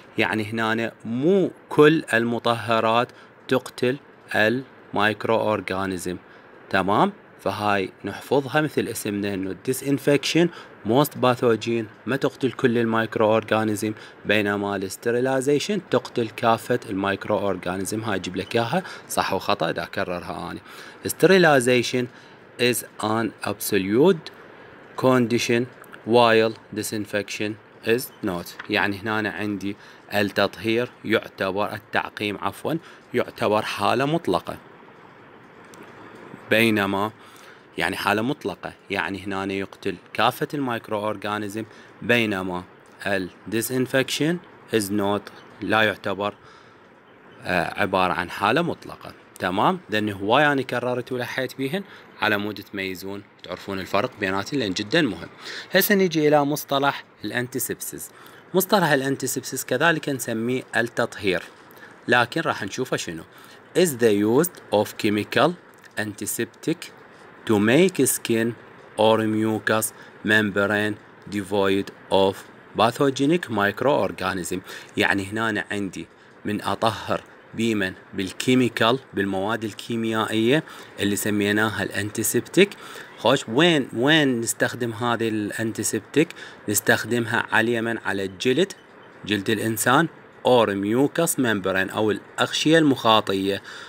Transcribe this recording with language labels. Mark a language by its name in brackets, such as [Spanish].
[Arabic] يعني هنا مو كل المطهرات تقتل الميكروorganism، تمام؟ فهاي نحفظها مثل اسمنا، انه [English] disinfection most pathogen [Arabic] ما تقتل كل الميكروorganism، بينما الاستريلايزيشن تقتل كافة الميكروorganism. هاي جيب لك اياها صح وخطأ، دا اكررها اني. [English] sterilization is an absolute condition while disinfection is not. [Arabic] يعني هنا عندي التطهير يعتبر، التعقيم عفوا، يعتبر حالة مطلقة، بينما، يعني حالة مطلقة، يعني هنا يقتل كافة الميكروorganism، بينما الديسانفكشن [English] is not، [Arabic] لا يعتبر عبارة عن حالة مطلقة، تمام؟ لأن هواي أنا كررت ولحيت بيهن على مود تميزون تعرفون الفرق بيناتهم، لأن جدا مهم. هسه نيجي إلى مصطلح الأنتيسبسيس. مصطلح الأنتيسبسيس كذلك نسميه التطهير، لكن راح نشوفه شنو. [English] is the use of chemical antiseptic to make skin or mucous membrane devoid of pathogenic microorganism. [Arabic] يعني هنا عندي من أطهر بمن؟ بالكيميكال، بالمواد الكيميائية اللي سميناها الانتيسبتيك. خوش، وين نستخدم هذه الانتيسبتيك؟ نستخدمها عليا من؟ على الجلد، جلد الإنسان، [English] or mucous membrane [Arabic] أو الأغشية المخاطية